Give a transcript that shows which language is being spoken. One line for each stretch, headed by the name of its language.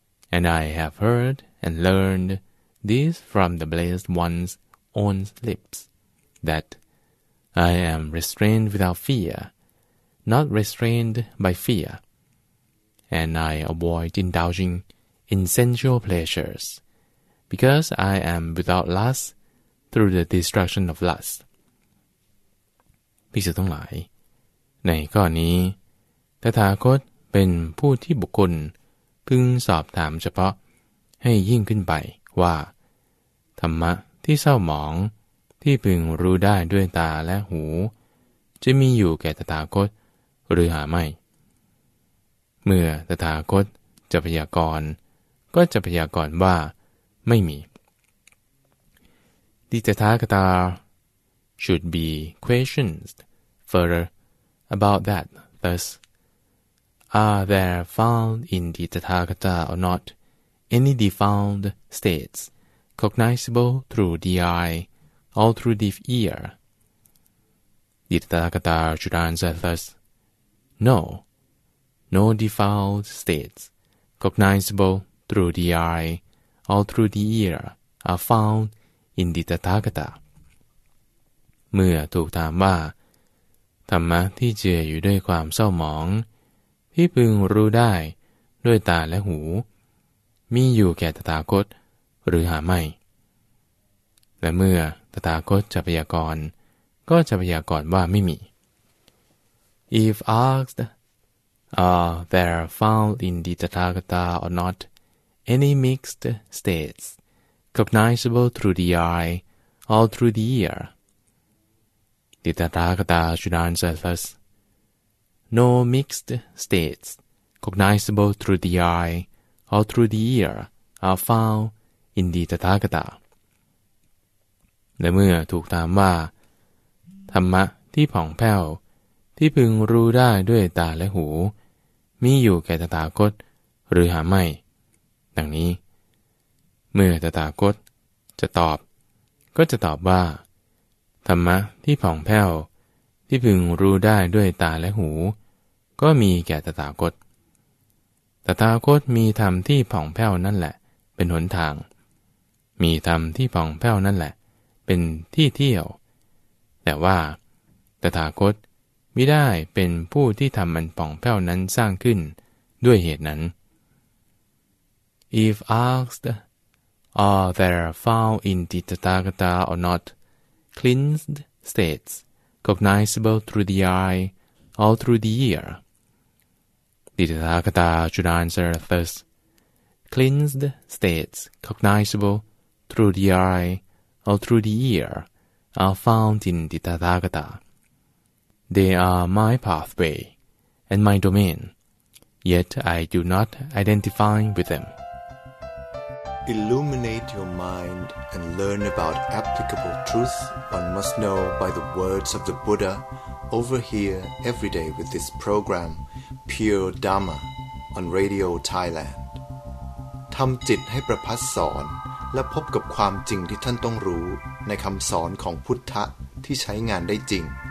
English: And I have heard and learned this from the Blessed One's own lips, that I am restrained without fear, not restrained by fear, and I avoid indulging in sensual pleasures, because I am without lust through the destruction of lust.
Thai: ภิกษุทั้งหลายในข้อนี้ตถาคตเป็นผู้ที่บุคคลพึงสอบถามเฉพาะให้ยิ่งขึ้นไปว่าธรรมะที่เศร้าหมองที่พึงรู้ได้ด้วยตาและหูจะมีอยู่แก่ตถาคตหรือหาไม่เมื่อตถาคตจะพยากรณ์ก็จะพยากรณ์ว่าไม่มี
English: ดิจทากตา should be questioned further about that thus are there found in the Tathagata or not any defiled states cognizable through the eye or through the ear? The Tathagata should answer thus, no, no defiled states cognizable through the eye or through the ear are found in the Tathagata.
Thai: เมื่อถูกถามว่าธรรมะที่เจืออยู่ด้วยความเศร้าหมองที่พึงรู้ได้ด้วยตาและหูมีอยู่แก่ตถาคตหรือหาไม่และเมื่อตถาคตจะพยากรณ์ก็จะพยากรณ์ว่าไม่มี
English: If asked are there found in the Tathagata or not any mixed states cognizable through the eye or through the ear The Tathagata should answer thus No mixed states cognizable through the eye or through the ear are found in the Tathagata.
Thai: และเมื่อถูกถามว่าธรรมะที่ผ่องแผ้วที่พึงรู้ได้ด้วยตาและหูมีอยู่แก่ตถาคตหรือหาไม่ดังนี้เมื่อตถาคตจะตอบก็จะตอบว่าธรรมะที่ผ่องแผ้วที่พึงรู้ได้ด้วยตาและหูก็มีแก่ตถาคต ตถาคตมีธรรมที่ผ่องแผ้วนั่นแหละเป็นหนทางมีธรรมที่ผ่องแผ้วนั่นแหละเป็นที่เที่ยวแต่ว่าตถาคตมิได้เป็นผู้ที่ธรรมอันผ่องแผ้วนั้นสร้างขึ้นด้วยเหตุนั้น
English: If asked are there found in the Tathagata or not cleansed statescognizable through the eye or through the ear. The Tathagata should answer thus, cleansed states cognizable through the eye or through the ear are found in the Tathagata. They are my pathway and my domain, yet I do not identify with them. Illuminate your mind and learn about applicable truth one must know by the words of the Buddha over here every day with this program Pure Dharma on Radio Thailand
Thai: ทำจิตให้ประพัสสอนและพบกับความจริงที่ท่านต้องรู้ในคำสอนของพุทธะที่ใช้งานได้จริง